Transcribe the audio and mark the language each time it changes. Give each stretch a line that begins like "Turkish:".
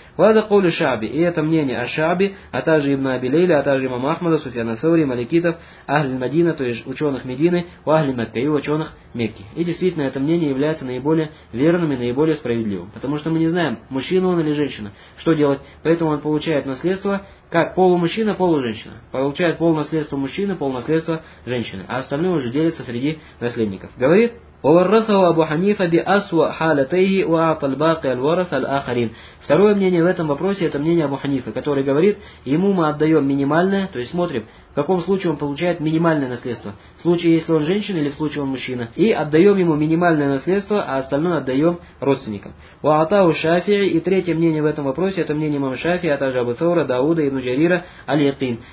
Arabic: Вада кулю шааби,
Russian: и это мнение аш-шааби, а также ибн Аби Лейли, а также имам Ахмада, Суфьяна Саури, маликитов, ахлиль Мадина, то есть ученых Медины, у ахлиль Мекки и ученых Мекки. И действительно, это мнение является наиболее верным и наиболее справедливым. Потому что мы не знаем, мужчина он или женщина. Что делать? Поэтому он получает наследство как полумужчина, полуженщина. Получает пол наследства мужчины, пол наследства женщины. А остальное уже делится среди наследников. Говорит
Arabic: وورثه أبو حنيفة بأسوأ حالتيه وأعطى الباقي الورث الآخرين.
Russian: Второе мнение в этом вопросе — это мнение Абу Ханифы, который говорит, ему мы отдаем минимальное, то есть смотрим, в каком случае он получает минимальное наследство, в случае, если он женщина или в случае он мужчина, и отдаем ему минимальное наследство, а остальное отдаем родственникам. Ва'атау Шафии, и третье мнение в этом вопросе — это мнение имама Шафии, а также Абу Саура, Дауда и Нуджарира, аль-Якин.